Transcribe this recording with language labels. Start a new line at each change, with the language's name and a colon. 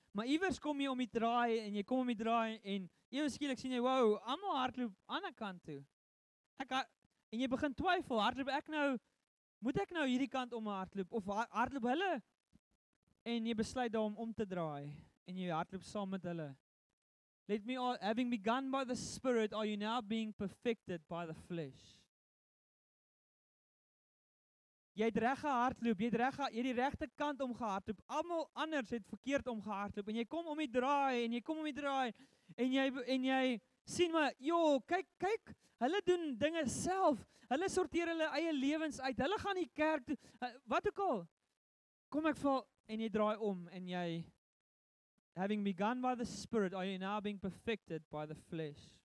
Afrikaans: Maar iewers kom jy om die draai, en jy kom om die draai, en iewers skielik sien jy, wow, allemaal hardloop aan die kant toe. En jy begin twyfel, hardloop ek nou, moet ek nou hierdie kant om hardloop, of hardloop hulle? En jy besluit daar om te draai, en jy hardloop saam met hulle.
English: Let me all, having begun by the Spirit, are you now being perfected by the flesh?
Afrikaans: Jy het reg gehardloop, jy het die regte kant om gehardloop, almal anders het verkeerd om gehardloop, en jy kom om die draai, en jy kom om die draai, en jy sien maar, joh, kyk, hulle doen dinge self, hulle sorteer hulle eie lewens uit, hulle gaan die kerk toe, wat ook al, kom ek val, en jy draai om, en jy,
English: having begun by the Spirit, are you now being perfected by the flesh?